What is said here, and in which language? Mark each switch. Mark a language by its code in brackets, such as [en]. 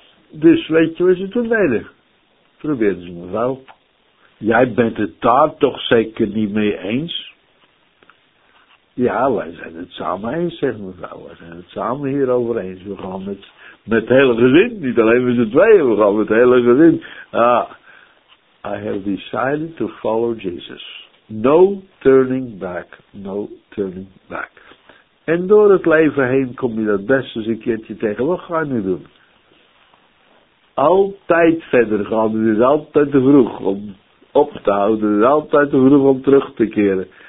[nl] Dus weet je wat ze toen deden? Probeerden ze me wel. Jij bent het daar toch zeker niet mee eens? Ja, wij zijn het samen eens, zegt mevrouw. Wij zijn het samen hierover eens. We gaan met het hele gezin. Niet alleen met z'n tweeën, we gaan met het hele gezin. Ah. [en] I have decided to follow Jesus. No turning back. No turning back. [nl] En door het leven heen kom je dat best eens een keertje tegen. Wat ga je nu doen? Altijd verder gaan. Het is altijd te vroeg om op te houden. Het is altijd te vroeg om terug te keren.